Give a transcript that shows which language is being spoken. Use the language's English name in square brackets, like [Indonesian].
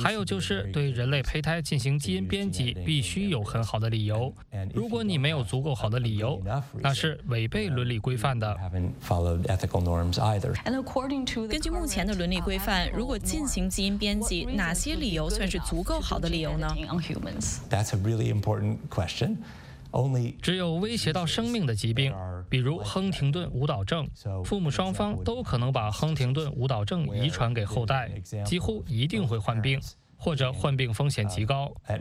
[Chinese] 还有就是对人类胚胎进行基因编辑必须有很好的理由。如果你没有足够好的理由，那是违背伦理规范的。 [English] Haven't followed ethical norms either. And according to [Chinese] 根据目前的伦理规范，如果进行基因编辑，哪些理由算是足够好的理由呢 [English] ？That's a really important question. [Chinese] 只有威胁到生命的疾病，比如亨廷顿舞蹈症，父母双方都可能把亨廷顿舞蹈症遗传给后代，几乎一定会患病，或者患病风险极高。